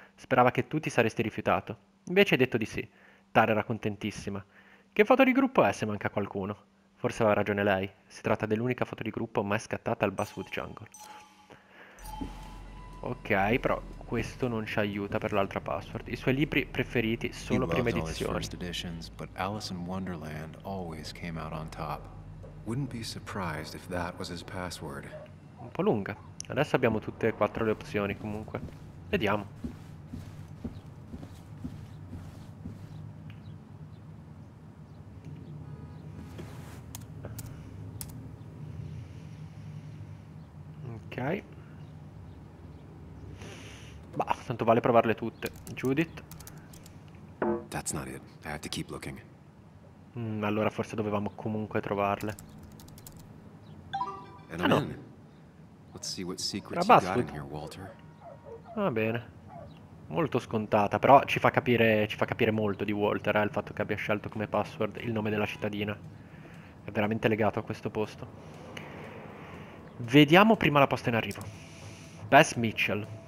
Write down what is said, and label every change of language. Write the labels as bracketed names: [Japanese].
[Italian] Sperava che tu ti saresti rifiutato. Invece hai detto di sì. Tara era contentissima. Che foto di gruppo è se manca qualcuno? Forse aveva ragione lei. Si tratta dell'unica foto di gruppo mai scattata al Bassfoot Jungle. Ok, però questo non ci aiuta per l'altra password. I suoi libri preferiti solo prima edizione. [English] Alice in Wonderland always came out on top. Wouldn't be surprised if that was his password. [Italian] Un po' lunga. Adesso abbiamo tutte e quattro le opzioni comunque. Vediamo. Ok. Bah, tanto vale provarle tutte. Judith. [English] That's not it. I have to keep looking. [Italian] Allora forse dovevamo comunque trovarle. [English] And ah, no. Let's see what secrets you got in here, Walter. [Italian] Va bene. Molto scontata, però ci fa capire molto di Walter, il fatto che abbia scelto come password il nome della cittadina. È veramente legato a questo posto. Vediamo prima la posta in arrivo. Bess Mitchell.